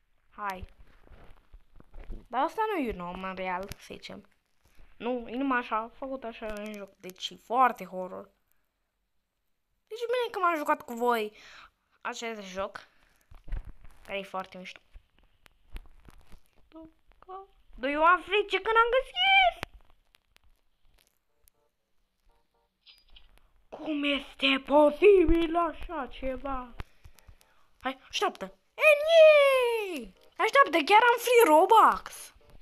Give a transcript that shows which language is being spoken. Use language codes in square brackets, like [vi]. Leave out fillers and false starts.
[ro] Hai. Dar asta nu e un om în real, să zicem. Nu, inima așa, făcut așa în joc. Deci foarte horror. Deci bine că m-am jucat cu voi acest joc, care e foarte mișto. [en] Do you want free chicken and gasier? [ro] Cum este posibil așa ceva? Hai, așteaptă! [en] And yay! [ro] Așteaptă, chiar am free Robux!